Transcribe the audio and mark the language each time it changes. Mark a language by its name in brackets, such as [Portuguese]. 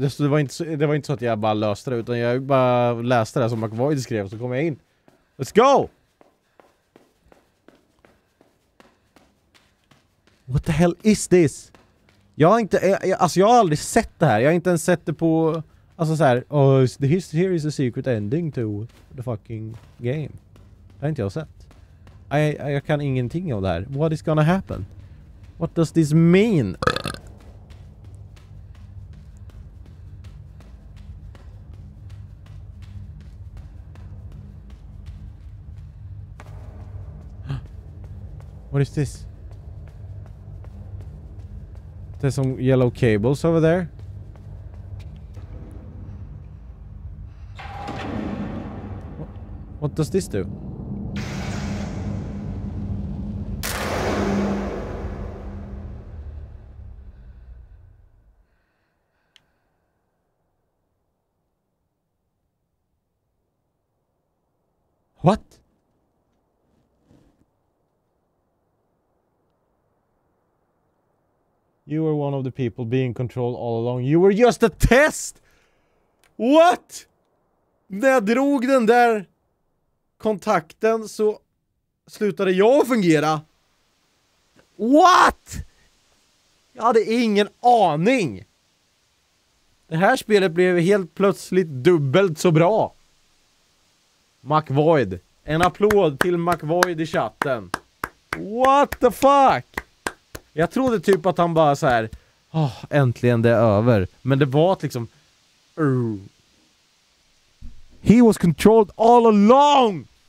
[Swedish] Det var inte så att jag bara löste det, utan jag bara läste det som McVoid skrev, så kom jag in. [English] Let's go! What the hell is this? [Swedish] Jag har inte... alltså jag har aldrig sett det här. Jag har inte ens sett det på... Alltså så här... [English] Oh, here is a secret ending to the fucking game. [Swedish] Det har inte jag sett. Jag kan ingenting av det här. [English] What is gonna happen? What does this mean? What is this? There's some yellow cables over there. What does this do? What? You were one of the people being controlled all along. You were just a test! What? [Swedish] När jag drog den där kontakten så slutade jag fungera. What? Jag hade ingen aning. Det här spelet blev helt plötsligt dubbelt så bra. McVoid. En applåd till McVoid i chatten. [English] What the fuck? [Swedish] Jag trodde typ att han bara så här, åh, oh, äntligen det är över. Men det var liksom... [English] He was controlled all along!